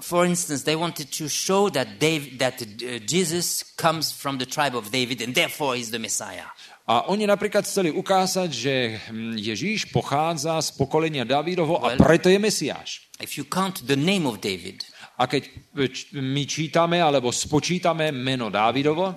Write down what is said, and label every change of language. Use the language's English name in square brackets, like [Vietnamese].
[English] For instance, they wanted to show that Jesus comes from the tribe of David and therefore is the Messiah. [Slovak] A oni například chceli ukázat, že Ježíš pochází z pokolenia Davidovo a proto je Mesiáš. [English] If you count the name of David, [Slovak] a keď my čítame alebo spočítame meno Davidovo,